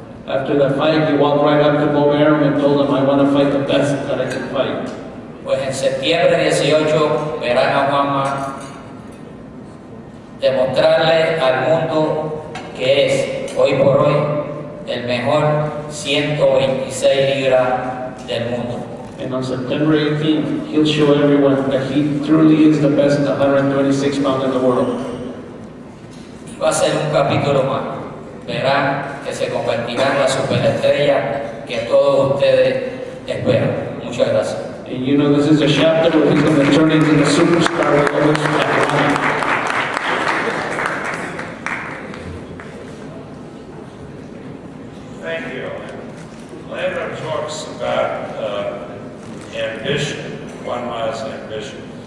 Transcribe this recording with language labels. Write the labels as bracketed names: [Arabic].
[English] After the fight, he walked right up to Bob Arum and told him, I want to fight the best that I can fight. [Spanish] Pues en septiembre 18, verán a Juanma demostrarle al mundo que es, hoy por hoy, el mejor 126 libras del mundo. [English] And on September 18th, he'll show everyone that he truly is the best 126 pound in the world. [Spanish] Y va a ser un capítulo más. Verán que se convertirá en la superestrella que todos ustedes esperan. Muchas gracias. [English] And you know this is a chapter where he's going to turn into the superstar of all this time. Thank you. Leonard talks about ambition, Juan Ma's ambition.